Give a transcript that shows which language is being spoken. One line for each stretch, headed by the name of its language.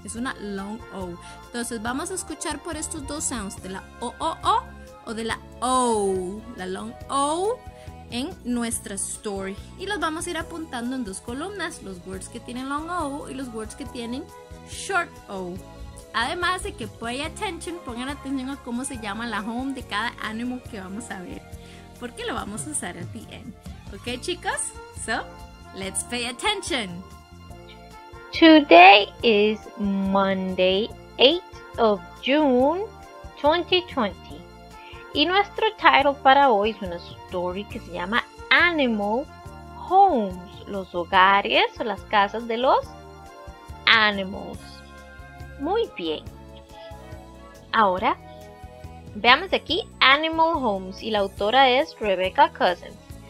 Spanish: Es una long O. Entonces vamos a escuchar por estos dos sounds, de la O, O, O o de la O, la long O, en nuestra story. Y los vamos a ir apuntando en dos columnas, los words que tienen long O y los words que tienen short O. Además de que pongan atención a cómo se llama la home de cada animal que vamos a ver, porque lo vamos a usar
English: at the end. Ok, chicos, so let's pay attention. Today is Monday, 8th of June, 2020.
Spanish: Y nuestro title para hoy es una story que se llama Animal Homes, los hogares o las casas de los animals. Muy bien. Ahora, veamos aquí Animal Homes y la autora es Rebecca Cousins.